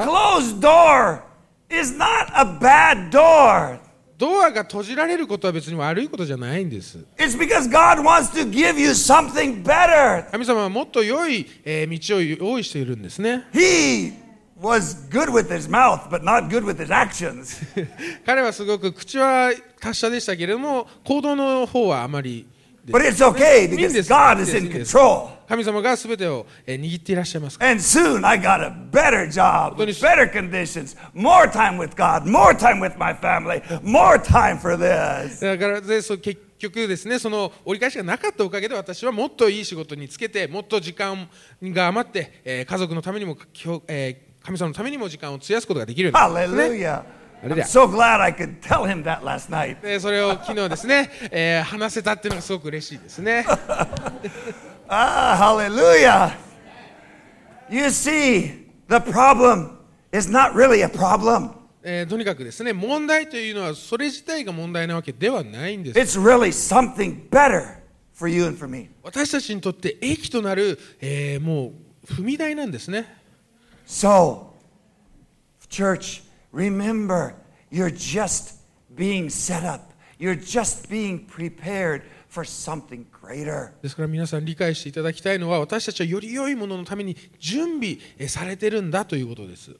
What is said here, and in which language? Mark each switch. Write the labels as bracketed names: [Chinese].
[English] The closed door is not a bad door. [Japanese] ドアが閉じられることは別に悪いことじゃないんです。 [English] It's because God wants to give you something better. [Japanese] 神様はもっと良い道を用意しているんですね。 [English] He was good with his mouth, but not good with his actions. [Japanese] 彼はすごく口は達者でしたけれども、行動の方はあまりです、 [English] ね。But it's okay because God is in control. [Japanese] 神様が全てを握っていらっしゃいますから。 [English] And soon I got a better job, better conditions, more time with God, more time with my family, more time for this. [Japanese] だからで、そう、結局ですね、その折り返しがなかったおかげで私はもっといい仕事につけて、もっと時間が余って、家族のためにも、神様のためにも時間を費やすことができるんです、ね。 [English] Hallelujah. I'm so glad I could tell him that last night. [Japanese] で、それを昨日ですね、話せたっていうのがすごく嬉しいですね。 [English] Ah, hallelujah! You see, the problem is not really a problem. [Japanese] とにかくですね、問題というのはそれ自体が問題なわけではないんです。 [English] It's really something better for you and for me. [Japanese] 私たちにとって益となる、もう踏み台なんですね。 [English] So, church, remember, you're just being set up. You're just being prepared. For something greater. [Japanese] ですから皆さん理解していただきたいのは、私たちはより良いもののために準備されてるんだということです。